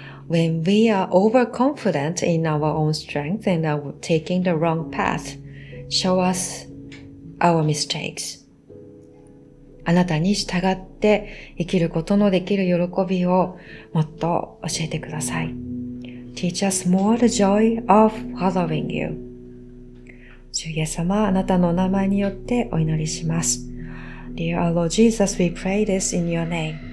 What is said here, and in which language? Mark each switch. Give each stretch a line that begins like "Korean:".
English: When we are overconfident in our own strength and are taking the wrong path, show us our mistakes.
Japanese: あなたに従って生きることのできる喜びをもっと教えてください。
English: Teach us more the joy of following you.
Japanese: 主イエス様、あなたの名前によってお祈りします。
English: Dear our Lord Jesus, we pray this in your name.